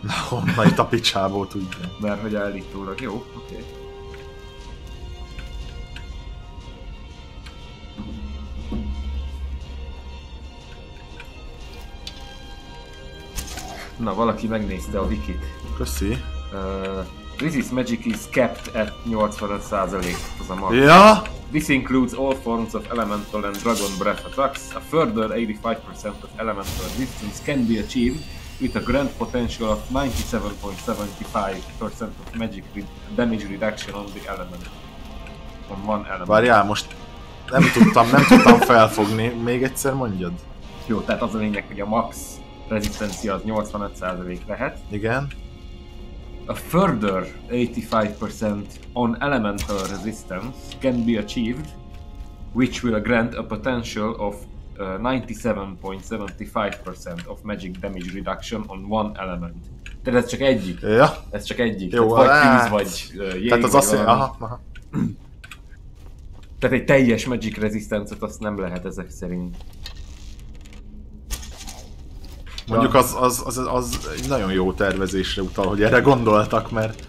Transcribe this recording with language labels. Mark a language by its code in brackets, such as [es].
[hu] Na, honnan itt a picsából tudja. Mert hogy állítólag, jó, oké. Okay. Na, valaki megnézte a wikit. Köszi. [en] This is magic is kept at 85%, [hu] az a marka. Ja? [en] This includes all forms of elemental and dragon breath attacks. A further 85% of elemental resistance can be achieved with a grand potential of 97.75% of magic damage reduction on the element. On one element. [hu] Várjál, most nem tudtam felfogni. Még egyszer mondjad. Jó, tehát az a lényeg, hogy a max rezisztencia az 85% lehet. Igen. [en] A further 85% on elemental resistance can be achieved, which will grant a potential of 97.75% of magic damage reduction on one element. [hu] Tehát ez csak egyik. Ja. Ez csak egyik. Jó, tehát vagy tűz, vagy jég. Tehát az vagy azt jelenti. Aha, aha. Tehát egy teljes magic resistance-ot azt nem lehet ezek szerint. Mondjuk az egy nagyon jó tervezésre utal, hogy erre gondoltak, mert...